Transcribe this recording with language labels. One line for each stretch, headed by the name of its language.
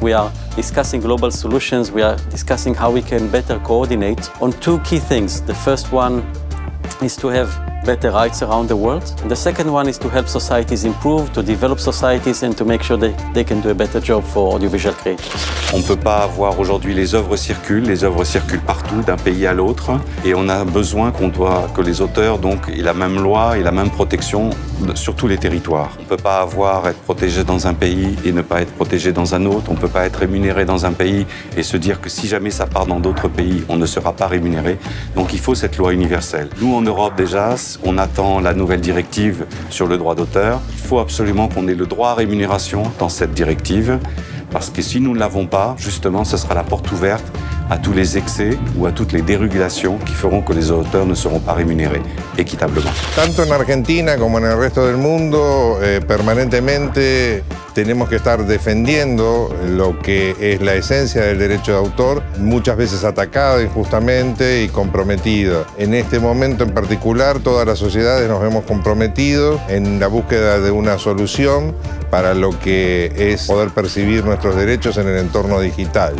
English: We are discussing global solutions. We are discussing how we can better coordinate on two key things. The first one is to have better rights around the world. And the second one is to help societies improve, to develop societies, and to make sure that they can do a better job for audiovisual creators.
French: On ne peut pas avoir aujourd'hui les œuvres circulent partout, d'un pays à l'autre, et on a besoin que les auteurs donc, aient la même loi et la même protection sur tous les territoires. On ne peut pas être protégé dans un pays et ne pas être protégé dans un autre. On ne peut pas être rémunéré dans un pays et se dire que si jamais ça part dans d'autres pays, on ne sera pas rémunéré. Donc il faut cette loi universelle. Nous, en Europe déjà, on attend la nouvelle directive sur le droit d'auteur. Il faut absolument qu'on ait le droit à rémunération dans cette directive. Parce que si nous ne l'avons pas, justement, ce sera la porte ouverte à tous les excès ou à toutes les dérégulations qui feront que les auteurs ne seront pas rémunérés équitablement.
Spanish: Tanto en Argentina como en el resto del mundo, permanentemente tenemos que estar defendiendo lo que es la esencia del derecho de autor, muchas veces atacado injustamente y comprometido. En este momento en particular, todas las sociedades nos hemos comprometido en la búsqueda de una solución para lo que es poder percibir nuestros derechos en el entorno digital.